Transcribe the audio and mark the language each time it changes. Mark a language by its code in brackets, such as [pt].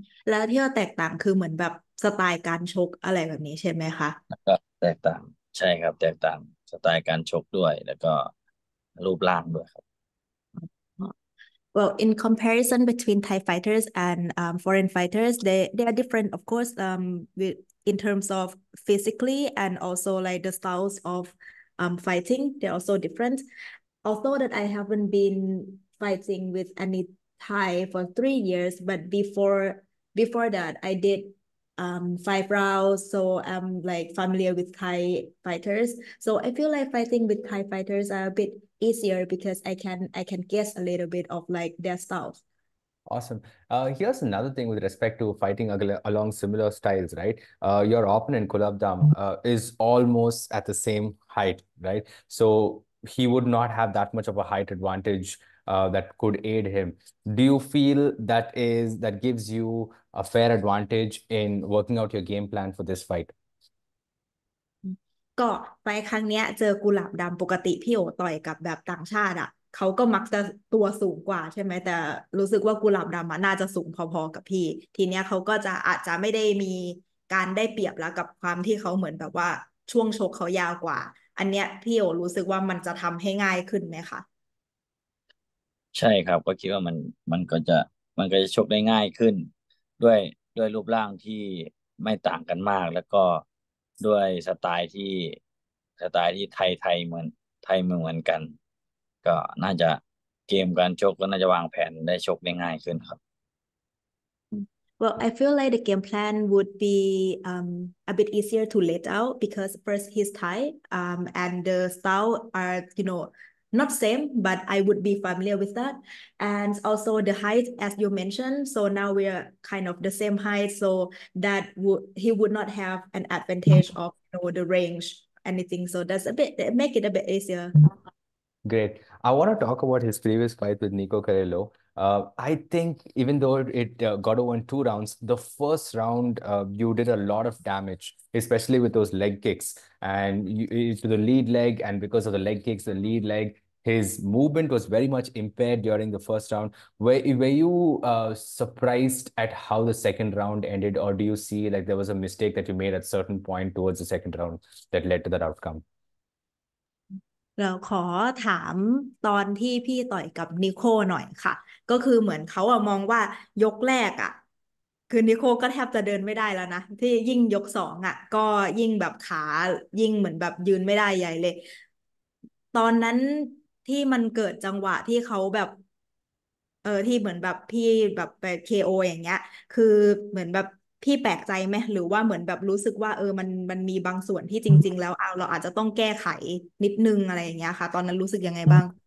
[th] แล้วที่ว่าแตกต่างคือเหมือนแบบสไตล์การชกอะไรแบบนี้ใช่ไหมคะ ก็แตกต่างใช่ครับแตกต่างสไตล์การชกด้วยแล้วก็รูปร่างด้วยครับ [en] Well, in comparison between Thai fighters and foreign fighters, they are different, of course, in terms of physically and also like the styles of fighting. They're also different. Although that I haven't been fighting with any Thai for 3 years, but before that I did 5 rounds, so I'm like familiar with Thai fighters. So I feel like fighting with Thai fighters are a bit easier because I can guess a little bit of like their styles. Awesome. Here's another thing with respect to fighting along similar styles, right? Your opponent, Kulab Dam, is almost at the same height, right? So he would not have that much of a height advantage that could aid him. Do you feel that gives you a fair advantage in working out your game plan for this fight? [th] ก็ไปครั้งเนี้ยเจอกุหลาบดำปกติพี่โอต่อยกับแบบต่างชาติอ่ะเขาก็มักจะตัวสูงกว่าใช่ไหมแต่รู้สึกว่ากุหลาบดำอ่ะน่าจะสูงพอๆกับพี่ทีเนี้ยเขาก็จะอาจจะไม่ได้มีการได้เปรียบแล้วกับความที่เขาเหมือนแบบว่าช่วงชกเขายาวกว่าอันเนี้ยพี่โอรู้สึกว่ามันจะทำให้ง่ายขึ้นไหมคะ ใช่ครับก็คิดว่ามันก็จะชกได้ง่ายขึ้นด้วยรูปร่างที่ไม่ต่างกันมากแล้วก็ด้วยสไตล์ที่ไทยเหมือนกันก็น่าจะเกมการชกก็น่าจะวางแผนได้ชกได้ง่ายขึ้นครับ [en] Well, I feel like the game plan would be a bit easier to lay out because first he's Thai and the style are, you know, not same, but I would be familiar with that. And also the height, as you mentioned, so now we are kind of the same height, so that would he would not have an advantage of, you know, the range, anything. So that's a bit that make it a bit easier. Great. I want to talk about his previous fight with Nico Carello. I think even though it got over in 2 rounds, the first round you did a lot of damage, especially with those leg kicks and to the lead leg. And because of the leg kicks, the lead leg, his movement was very much impaired during the first round. Were you surprised at how the second round ended, or do you see like there was a mistake that you made at a certain point towards the second round that led to that outcome? [th] เราขอถามตอนที่พี่ต่อยกับนิโคหน่อยค่ะก็คือเหมือนเขาอะมองว่ายกแรกอะ คือนิโคก็แทบจะเดินไม่ได้แล้วนะที่ยิ่งยกสองอ่ะก็ยิ่งแบบขายิ่งเหมือนแบบยืนไม่ได้ใหญ่เลยตอนนั้นที่มันเกิดจังหวะที่เขาแบบที่เหมือนแบบพี่แบบไป KO อย่างเงี้ยคือเหมือนแบบพี่แปลกใจไหมหรือว่าเหมือนแบบรู้สึกว่ามันมีบางส่วนที่จริงๆแล้วเราอาจจะต้องแก้ไขนิดนึงอะไรอย่างเงี้ยค่ะตอนนั้นรู้สึกยังไงบ้าง